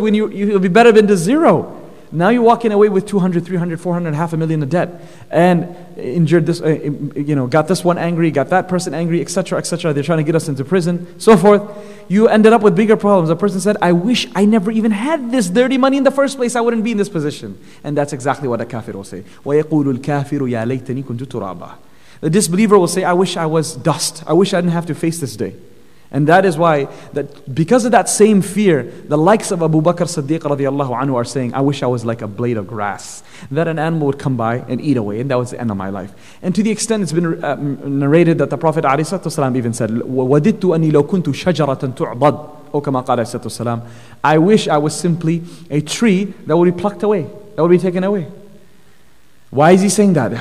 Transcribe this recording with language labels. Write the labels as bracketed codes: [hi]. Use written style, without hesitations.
[en] When you'll be better than the zero. Now you're walking away with 200, 300, 400, half a million of debt. And injured this, you know, got this one angry, got that person angry, etc., etc. They're trying to get us into prison, so forth. You ended up with bigger problems. A person said, I wish I never even had this dirty money in the first place. I wouldn't be in this position. And that's exactly what a kafir will say. [ar] وَيَقُولُ الْكَافِرُ يَا لَيْتَنِي كُنْتُ تُرَابًا. [en] The disbeliever will say, I wish I was dust. I wish I didn't have to face this day. And that is why, that because of that same fear, the likes of Abu Bakr Siddiq radiallahu anhu are saying, I wish I was like a blade of grass, that an animal would come by and eat away, and that was the end of my life. And to the extent it's been narrated that the Prophet ﷺ even said, [ar] وَدِدْتُ أَنِّي لَوْ كُنْتُ شَجَرَةً تُعْبَدْ أو كَمَا قَالَ ﷺ, [en] I wish I was simply a tree that would be plucked away, that would be taken away. Why is he saying that?